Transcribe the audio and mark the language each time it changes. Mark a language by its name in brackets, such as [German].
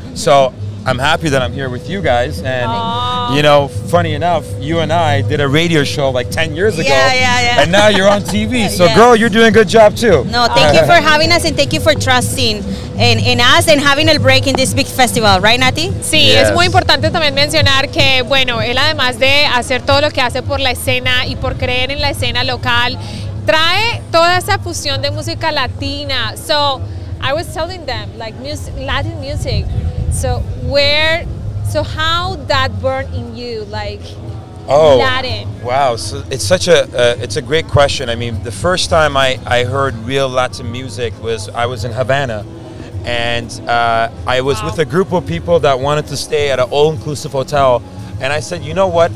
[English] So I'm happy that I'm here with you guys. And, aww, you know, funny enough, you and I did a radio show like 10 years ago. Yeah, yeah, yeah. And now you're on TV. So yeah. Girl, you're doing a good job too. No, thank you for having us and thank you for trusting in us and having a break in this big festival, right, Nati? [Spanish] Sí, yes. Es muy importante también mencionar que, bueno, él además de hacer todo lo que hace por la escena y por creer en la escena local, trae toda esa fusión de música latina. [English] So, I was telling them, like, music, Latin music. So, where, so how that burned in you, like, oh, Latin? Wow, so it's such a, it's a great question. I mean, the first time I heard real Latin music was, I was in Havana. And I was, wow, with a group of people that wanted to stay at an all-inclusive hotel. And I said, you know what?